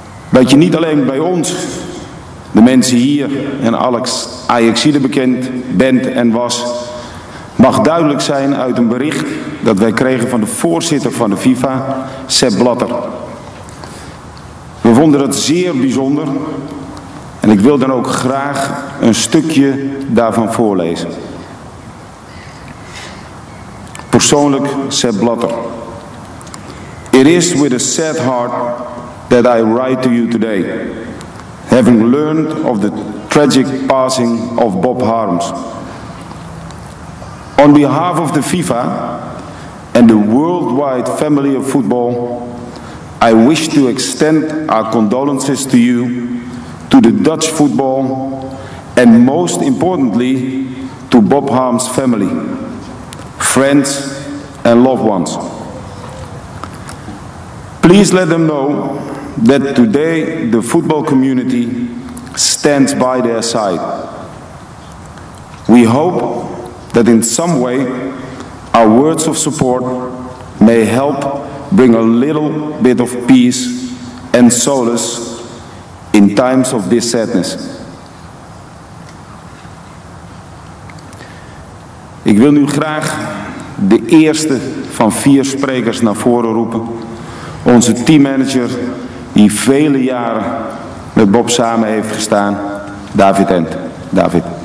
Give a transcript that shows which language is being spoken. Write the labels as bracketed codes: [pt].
[nl] Dat je niet alleen bij ons, de mensen hier en Alex Ajaxide bekend bent en was, mag duidelijk zijn uit een bericht dat wij kregen van de voorzitter van de FIFA, Sepp Blatter. We vonden het zeer bijzonder en ik wil dan ook graag een stukje daarvan voorlezen. Persoonlijk, Sepp Blatter. [en] It is with a sad heart that I write to you today, having learned of the tragic passing of Bob Harms. On behalf of the FIFA and the worldwide family of football, I wish to extend our condolences to you, to the Dutch football, and most importantly, to Bob Harms' family, friends, and loved ones. Please let them know that today the football community stands by their side. We hope that in some way our words of support may help bring a little bit of peace and solace in times of this sadness. [nl] Ik wil nu graag de eerste van vier sprekers naar voren roepen. Onze teammanager die vele jaren met Bob samen heeft gestaan, David Ent. David.